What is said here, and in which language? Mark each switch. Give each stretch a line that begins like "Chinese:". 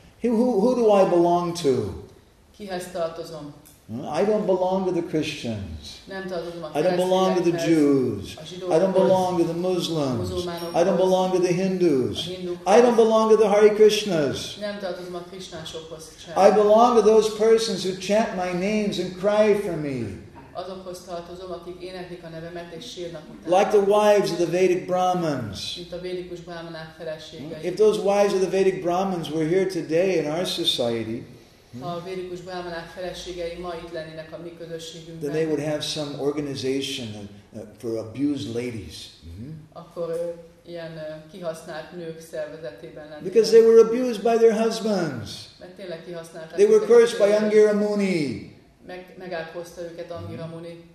English: Who do I belong to?
Hungarian: Kihez tartozom?
English: I don't belong to the Christians.
Hungarian: Nem tartozom a
English: I don't belong to the Jews. I don't belong to the Muslims. I don't belong to the Hindus. I don't belong to the Hare Krishnas.
Hungarian: Nem tartozom a Krishnásokhoz sem.
English: I belong to those persons who chant my names and cry for me.
Hungarian: Azokhoz tartozom, akik éneklik a nevemet és sírnak utána.
English: Like the wives of the Vedic Brahmins.
Hungarian: Mint a védikus brahmanák feleségei.
English: If those wives of the Vedic Brahmins were here today in our society,
Hungarian: ha a védikus brahmanák feleségei ma itt lennének a mi közösségünkben,
English: then they would have some organization for abused ladies.
Hungarian: Akkor ilyen kihasznált nők szervezetében lennének.
English: Because they were abused by their husbands.
Hungarian: Mert tényleg kihasználták.
English: They were cursed by Angira Muni.
Hungarian: Megátkozta őket Angira Muni.